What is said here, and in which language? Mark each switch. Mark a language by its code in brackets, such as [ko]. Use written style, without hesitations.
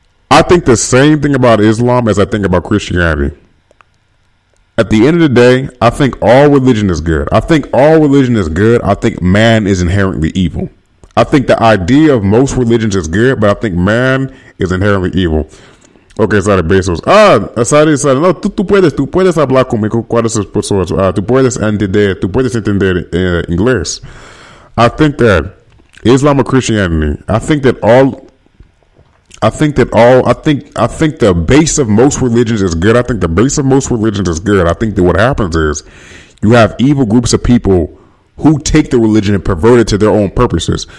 [en] I think the same thing about Islam as I think about Christianity. At the end of the day, I think all religion is good. I think all religion is good. I think man is inherently evil. I think the idea of most religions is good, but I think man is inherently evil. Okay, Sadie Bezos. [es] Sadie, no, tú puedes hablar conmigo cuáles son las personas. Tú puedes entender inglés. [en] I think that Islam or Christianity, I think the base of most religions is good. I think the base of most religions is good. I think that what happens is you have evil groups of people who take the religion and pervert it to their own purposes.